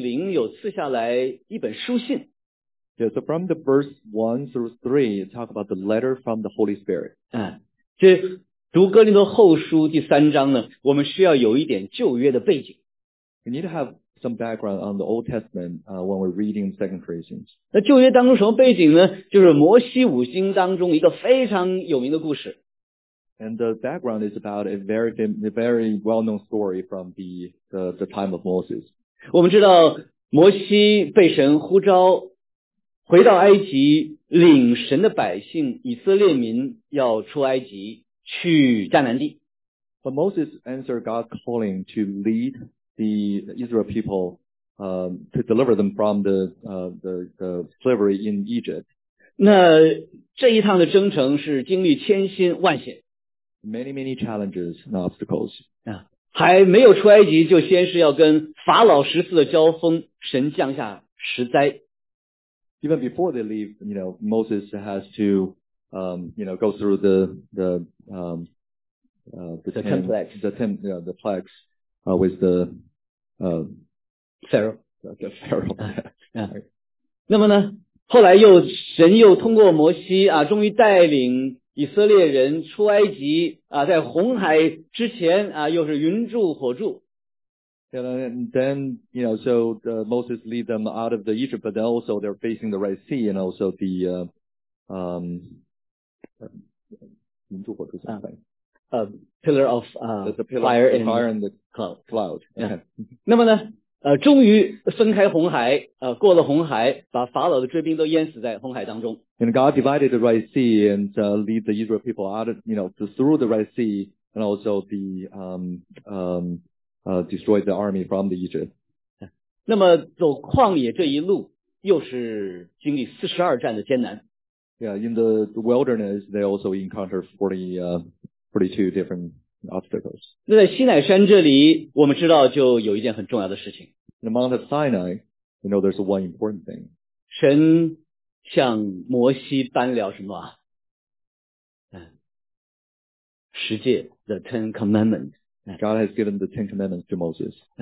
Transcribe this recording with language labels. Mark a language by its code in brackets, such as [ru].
[zh] 那首先，第一个从第一节到第三节，告诉我们圣灵有赐下来一本书信。 [en] Yeah, so from the verse 1 through 3, talk about the letter from the Holy Spirit. [zh] 这读哥林多后书第三章呢，我们需要有一点旧约的背景。 [en] We need to have some background on the Old Testament when we're reading 2 Corinthians. [zh] 那旧约当中什么背景呢?就是摩西五经当中一个非常有名的故事。 [en] And the background is about a very well-known story from the time of Moses. [zh] 我们知道摩西被神呼召回到埃及领神的百姓以色列民要出埃及去迦南地。 [en] But Moses answered God's calling to lead the Israel people, to deliver them from the slavery in Egypt. [zh] 那这一趟的征程是经历千辛万险。 [en] Many, many challenges and obstacles. [zh] 还没有出埃及就先是要跟法老十四的交锋，神降下十灾。 [en] Even before they leave, you know, Moses has to, you know, go through the plagues with Pharaoh. [zh] 那么呢，后来又神又通过摩西啊，终于带领以色列人出埃及啊，在红海之前啊，又是云柱火柱。 [en] And then, you know, so the Moses lead them out of the Egypt, but then also they're facing the Red Sea and also the, [zh] 云柱火柱 [en] 啊，pillar of, fire and cloud. [zh] Yeah. 那么呢，终于分开红海，过了红海，把法老的追兵都淹死在红海当中。 [en] And God divided the Red Sea and, lead the Israel people out of, you know, through the Red Sea and also the, destroyed the army from the Egypt. [zh] 那么走旷野这一路又是经历42站的艰难。 [en] Yeah, in the wilderness, they also encounter 42 different obstacles. [zh] 那在西乃山这里我们知道就有一件很重要的事情。 [en] In the Mount of Sinai, you know, there's one important thing. [zh] 神向摩西颁了什么？ [en] 十诫 ,the Ten Commandments. God has given the Ten Commandments to Moses.